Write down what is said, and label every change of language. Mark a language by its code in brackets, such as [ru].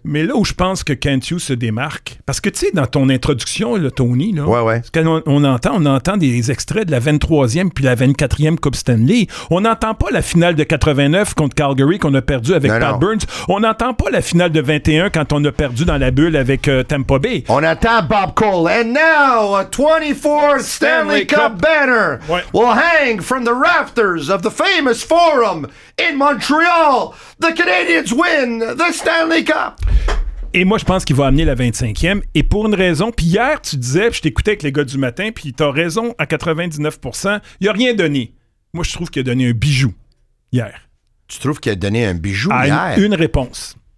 [fr] Mais là où je pense que Kent Hughes se démarque, parce que tu sais, dans ton introduction, là, Tony, là, ouais, ouais. Quand on entend des extraits de la 23e puis la 24e Coupe Stanley. On n'entend pas la finale de 89 contre Calgary qu'on a perdu avec non, Pat non. Burns. On n'entend pas la finale de 21 quand on a perdu dans la bulle avec Tampa Bay. On attend Bob Cole. [en] And now, a 24th Stanley Cup banner will hang from the rafters of the famous forum in Montreal. The Canadiens win the Stanley Cup. [fr] Et moi, je pense qu'il va amener la 25e. Et pour une raison, puis hier, tu disais, puis je t'écoutais avec les gars du matin, puis t'as raison, à 99%, il n'a rien donné. Moi, je trouve qu'il a donné un bijou hier. Tu trouves qu'il a donné un bijou hier? Une réponse.